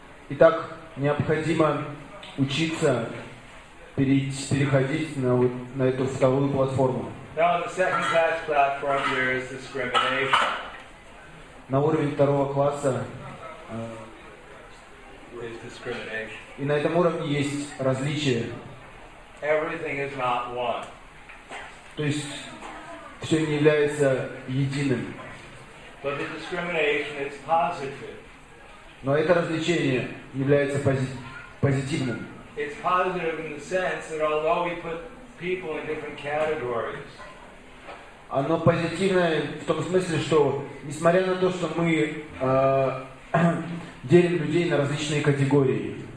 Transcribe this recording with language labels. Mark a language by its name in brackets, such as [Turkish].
[Russian] Итак, необходимо учиться переходить на эту вторую платформу. [English] Now, the second class platform here is discrimination. [Russian] На уровень второго класса. [English] Is discrimination. [Russian] И на этом уровне есть различие. [English] Everything is not one. [Russian] То есть все не является единым. [English] But the discrimination is positive. [Russian] Но это различие является позитивным. [English] It's positive in the sense that although we put people in different categories. [Russian] Оно позитивное в том смысле, что несмотря на то, что мы делим людей на различные категории.